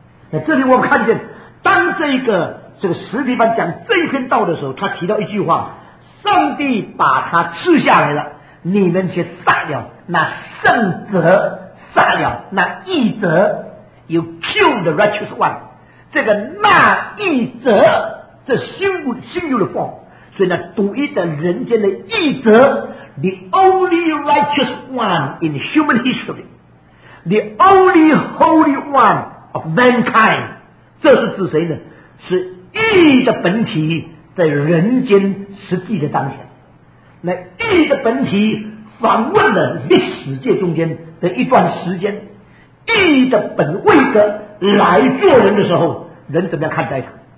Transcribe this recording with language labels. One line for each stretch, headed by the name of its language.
Chinese: 那这里我们看见当这个史提凡讲这一篇道的时候，他提到一句话，上帝把他赐下来了，你们却杀了那圣者，杀了那义者，
English: you kill the righteous one。
Chinese: 这个那义者这新旧的form，所以呢，独一的人间的义者，
English: the only righteous one in human history， the only holy one of mankind，
Chinese: 这是指谁呢？是义的本体在人间实际的当前。那义的本体访问了历史界中间的一段时间，义的本位的来做人的时候，人怎么样看待他？